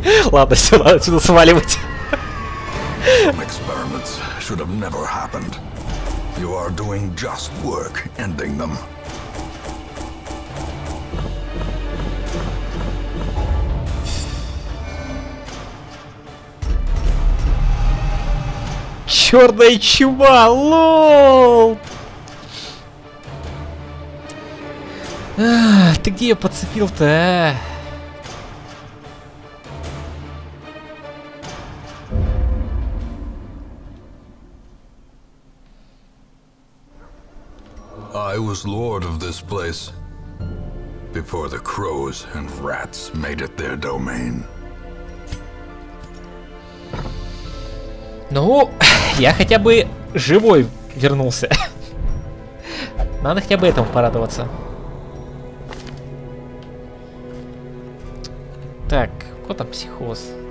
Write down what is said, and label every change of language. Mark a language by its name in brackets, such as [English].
[Russian] Ладно, все, надо сюда сваливать. [English] Experiments should have never happened. You are doing just work ending them. [Russian] Черная чума, лол! Ты где ее подцепил-то, а? [English] I was lord of this place before the crows and rats made it their domain. [Russian] Ну, я хотя бы живой вернулся. Надо хотя бы этому порадоваться. Так, кто там психоз?